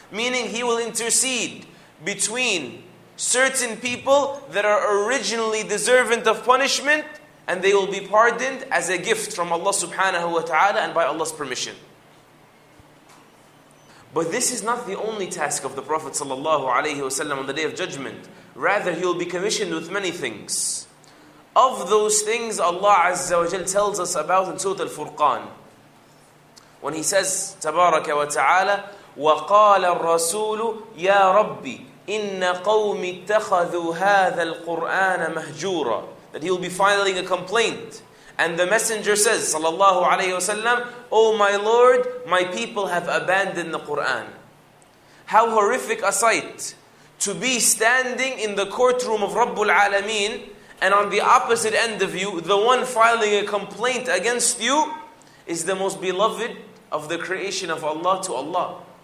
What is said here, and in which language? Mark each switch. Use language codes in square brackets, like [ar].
[en] Meaning he will intercede between certain people that are originally deserving of punishment and they will be pardoned as a gift from Allah subhanahu wa ta'ala and by Allah's permission. But this is not the only task of the Prophet sallallahu alayhi wa sallam on the Day of Judgment. Rather, he will be commissioned with many things. Of those things, Allah Azza wa Jal tells us about in Surah Al-Furqan. When he says, [ar] تَبَارَكَ وَتَعَالَى وَقَالَ الرَّسُولُ يَا رَبِّ إِنَّ قَوْمِ اتَّخَذُوا هَذَا الْقُرْآنَ مَهْجُورًا [en] That he will be filing a complaint. And the messenger says, sallallahu alayhi wa sallam, O my Lord, my people have abandoned the Qur'an. How horrific a sight to be standing in the courtroom of Rabbul Alameen and on the opposite end of you, the one filing a complaint against you is the most beloved of the creation of Allah to Allah.